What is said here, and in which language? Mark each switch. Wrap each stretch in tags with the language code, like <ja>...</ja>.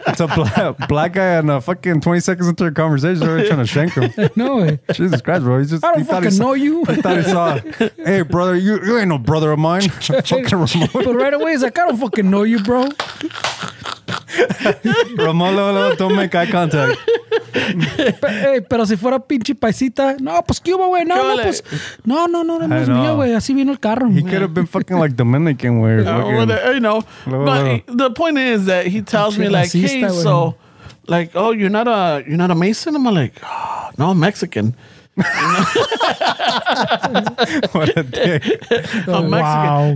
<en>It's a black guy and a fucking 20 seconds into a conversation, they're trying to shank him. No way. Jesus Christ, bro. He's just, I don't fucking know you. He thought he saw, hey, brother, you ain't no brother of mine. Fucking Ramon. But right away, he's like, I don't fucking know you, bro. Ramon, don't make eye contact.</en> <es>Hey, pero si fuera pinche paisita, no, pues que hubo, güey, no, no, pues, no, no es mío, güey, así vino el carro.</es> <en>He could have been fucking like Dominican, güey. You know, but the point is that he tells me like, hey, so, like, oh, you're not a Mason? I'm like, oh, no, I'm Mexican. What a dick. I'm Mexican. Wow.</en>